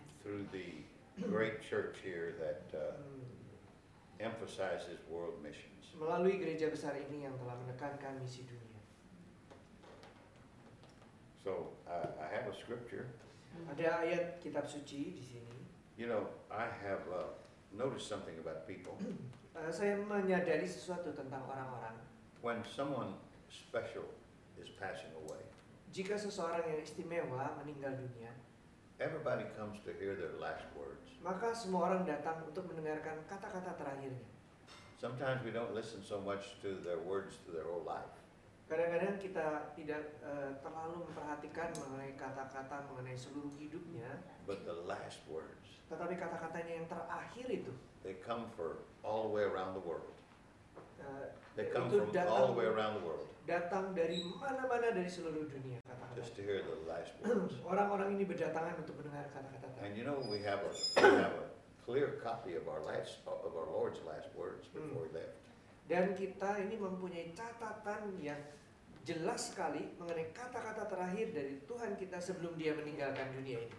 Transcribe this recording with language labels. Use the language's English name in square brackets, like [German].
[English] Through the great church here that emphasizes world missions. [Indonesian] Melalui gereja besar ini yang telah menekankan misi dunia. [English] So I have a scripture. [Indonesian] Ada ayat kitab suci di sini. [English] You know, I have noticed something about people. [Indonesian] Saya menyadari sesuatu tentang orang-orang. [English] When someone special is passing away. [Indonesian] Jika seseorang yang istimewa meninggal dunia. [English] Everybody comes to hear their last words. [Indonesian] Maka semua orang datang untuk mendengarkan kata-kata terakhirnya. [English] Sometimes we don't listen so much to their words to their whole life. [Indonesian] Kadang-kadang kita tidak terlalu memperhatikan mengenai kata-kata mengenai seluruh hidupnya. [English] But the last words. [Indonesian] Tetapi kata-katanya yang terakhir itu. [English] They come for all the way around the world. They come from all the way around the world. [Indonesian] Datang dari mana-mana dari seluruh dunia kata-kata. [English] Just to hear the last words. [Indonesian] Orang-orang ini berdatangan untuk mendengar kata-kata. [English] And you know we have a clear copy of our Lord's last words before he left. [Indonesian] Dan kita ini mempunyai catatan yang jelas sekali mengenai kata-kata terakhir dari Tuhan kita sebelum dia meninggalkan dunia ini.